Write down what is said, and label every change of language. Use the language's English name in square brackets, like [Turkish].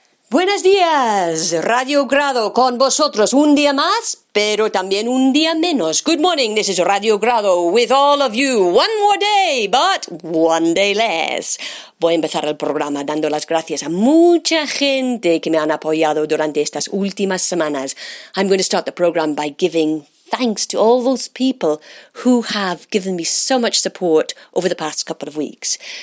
[Spanish] Buenos días, Radio Grado, con vosotros un día más, pero también un día menos. [English] Good morning, this is Radio Grado with all of you. One more day, but one day less. [Spanish] Voy a empezar el programa dando las gracias a mucha gente que me han apoyado durante estas últimas semanas. [English] I'm going to start the program by giving thanks to all those people who have given me so much support over the past couple of weeks.